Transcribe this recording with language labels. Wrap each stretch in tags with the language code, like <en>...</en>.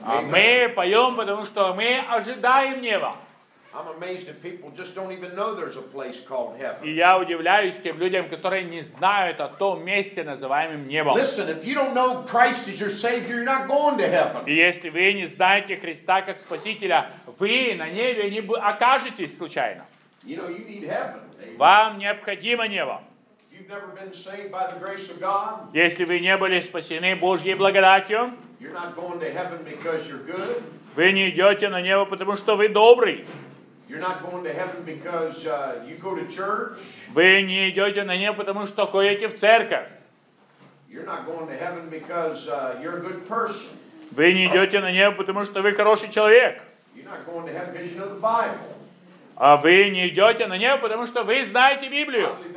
<ru>А мы поем, потому что мы ожидаем неба.</ru> <en>I'm amazed that people just don't even know there's a place called heaven.</en> <ru>И я удивляюсь тем людям, которые не знают о том месте, называемом небом.</ru> <en>Listen, if you don't know Christ as your Savior, you're not going to heaven.</en> <ru>И если вы не знаете Христа как Спасителя, вы на небе не окажетесь случайно.</ru> <en>You know, you need heaven.</en> <ru>Вам необходимо небо.</ru> <en>If you've never been saved by the grace of God,</en> <ru>если вы не были спасены Божьей благодатью,</ru> <en>you're not going to heaven because you're good.</en> <ru>Вы не идете на небо, потому что вы добрый.</ru> <en>You're not going to heaven because you go to church.</en> <ru>Вы не идете на небо, потому что ходите в церковь.</ru> <en>You're not going to heaven because you're a good person.</en> <ru>Вы не идете на небо, потому что вы хороший человек.</ru> <en>You're not going to heaven because you know the Bible.</en> <ru>А вы не идете на небо, потому что вы знаете Библию.</ru>